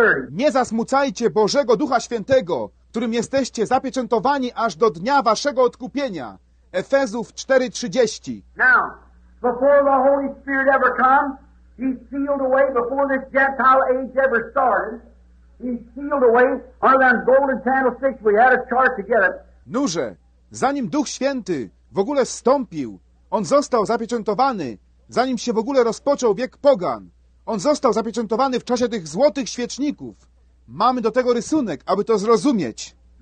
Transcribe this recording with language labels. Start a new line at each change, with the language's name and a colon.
Polish: Nie zasmucajcie Bożego Ducha Świętego, którym jesteście zapieczętowani aż do dnia waszego odkupienia. Efezów 4:30.
English: Now, before the Holy Spirit ever come, he sealed away before this Gentile age ever started. He sealed away under that golden candlestick. We had a chart to get it.
Polish: Nuże, zanim Duch Święty w ogóle wstąpił, on został zapieczętowany, zanim się w ogóle rozpoczął wiek pogan. On został zapieczętowany w czasie tych złotych świeczników. Mamy do tego rysunek, aby to zrozumieć.